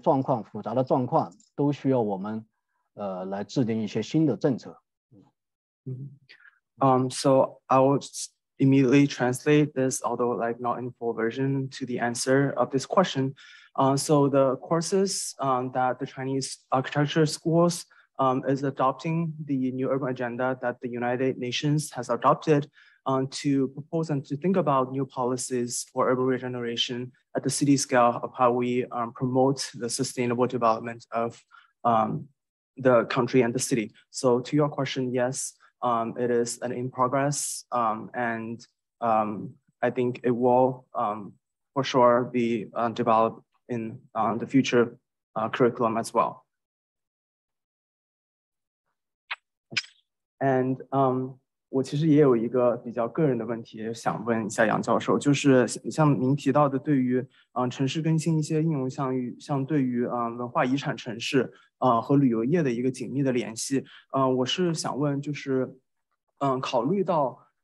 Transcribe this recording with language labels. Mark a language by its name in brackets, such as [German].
[Chinese] 在中国上已经高度的关注，而且完全融入到我们的课程里面。因为在这里面呢，就是说它涉及到很多新的精神，包括比如说公众的参与啊，还有多种那种城市的管理治理啊，以及那种如何面对这种不断变化的这样一些状况，复杂的状况，都需要我们 [English] So I will immediately translate this, although like not in full version, to the answer of this question. So the courses that the Chinese architecture schools is adopting the new urban agenda that the United Nations has adopted to propose and to think about new policies for urban regeneration at the city scale of how we promote the sustainable development of the country and the city. So to your question, yes, it is an in progress, and I think it will for sure be developed in the future curriculum as well. [Chinese] And 我其实也有一个比较个人的问题想问一下杨教授，就是像您提到的对于城市更新一些应用，像对于文化遗产城市和旅游业的一个紧密的联系，我是想问就是考虑到